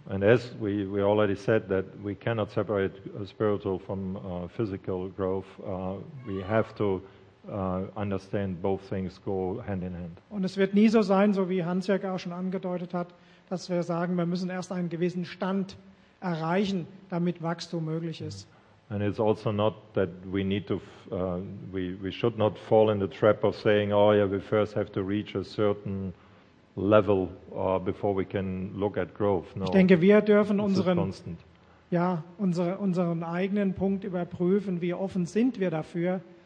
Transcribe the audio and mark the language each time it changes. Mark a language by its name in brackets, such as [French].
[English] And as we already said that we cannot separate spiritual from physical growth, we have to understand both things go hand in hand. [German] Und es wird nie so sein, so wie Hans-Jörg auch schon angedeutet hat, dass wir sagen, wir müssen erst einen gewissen Stand erreichen, damit Wachstum möglich ist. [English] And it's also not that we need to we should not fall in the trap of saying, oh yeah, we first have to reach a certain level before we can look at growth. No. [German] Ich denke, wir dürfen unseren eigenen Punkt überprüfen, wie offen sind wir dafür.